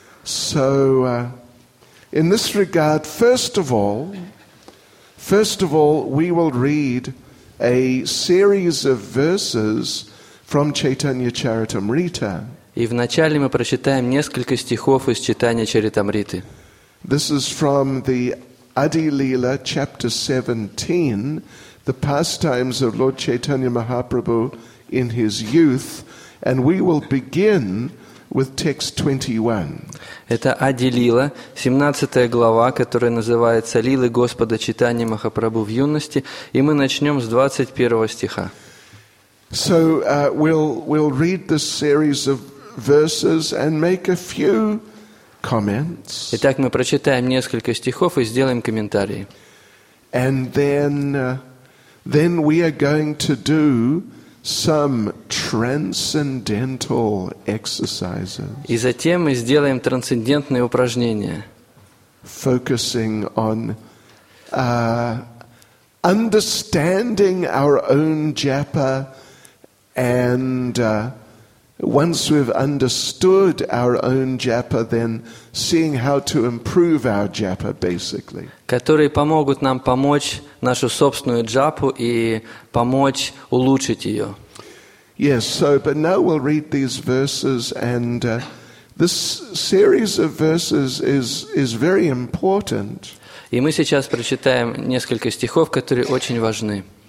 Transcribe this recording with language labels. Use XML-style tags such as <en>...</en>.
<en>So, in this regard, first of all, we will read a series of verses from Chaitanya Charitamrita.</en> <ru>И вначале мы прочитаем несколько стихов из Чайтанья Чаритамриты.</ru> <en>This is from the Adi Lila, chapter 17, the pastimes of Lord Chaitanya Mahaprabhu in his youth, and we will begin with text 21.</en> <ru>Это Ади Лила, 17 глава, которая называется «Лилы Господа Чайтаньи Махапрабху в юности», и мы начнем с 21 стиха.</ru> <en>So we'll read this series of verses and make a few comments.</en> <ru>Итак, мы прочитаем несколько стихов и сделаем комментарии.</ru> <en>And then we are going to do some transcendental exercises.</en> <ru>И затем мы сделаем трансцендентные упражнения.</ru> <en>Focusing on understanding our own japa, and once we've understood our own japa, then seeing how to improve our japa, basically.</en> <ru>Которые помогут нам помочь нашу собственную джапу и помочь улучшить ее.</ru> <en>Yes, so, but now we'll read these verses, and this series of verses is very important.</en> <ru>И мы сейчас прочитаем несколько стихов, которые очень важны.</ru>